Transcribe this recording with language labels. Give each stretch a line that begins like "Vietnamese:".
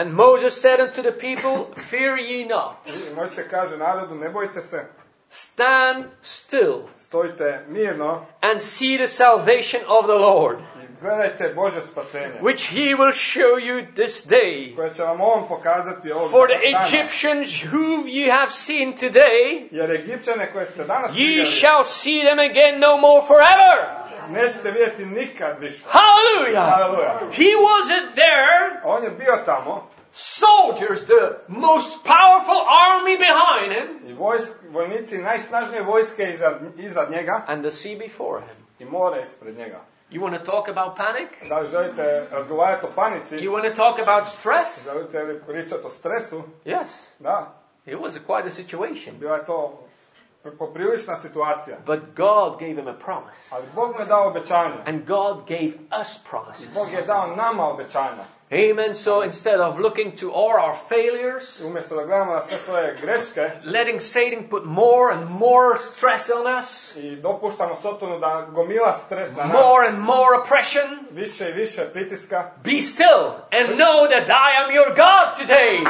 English: And Moses said unto the people, fear ye not.
Croatian: I Mojsije kaže narodu, ne bojte se.
English: Stand still.
Croatian: Stojte mirno.
English: And see the salvation of the Lord.
Croatian: I gledajte Božje spasenje.
English: Which he will show you this day.
Croatian: Koje će vam on pokazati ovog dana.
English: For the Egyptians who you have seen today.
Croatian: Jer Egipćane koje ste danas vidjeli.
English: Ye shall see them again no more forever.
Croatian: Nećete vidjeti nikad više. Hallelujah! Hallelujah!
English: He wasn't there.
Croatian: On je bio tamo.
English: Soldiers, the most powerful army behind him.
Croatian: I vojnici najsnažnije vojske iza njega.
English: And the sea before him.
Croatian: I more ispred njega.
English: You want to talk about panic?
Croatian: Da želite razgovarati o panici?
English: You want to talk about stress?
Croatian: Želite li pričati o stresu?
English: Yes.
Croatian: Da.
English: It was quite a situation.
Croatian: Bila je to poprilična situacija.
English: But God gave him a promise.
Croatian: Ali Bog mu je dao obećanje.
English: And God gave us promises.
Croatian: Bog je dao nama obećanja. Amen.
English: So instead of looking to all our failures,
Croatian: umjesto da gledamo na sve svoje greške,
English: letting Satan put more and more stress on us,
Croatian: i dopuštamo Satanu da gomila stres na nas,
English: more and more oppression,
Croatian: više i više pritiska,
English: be still and know that I am your God today.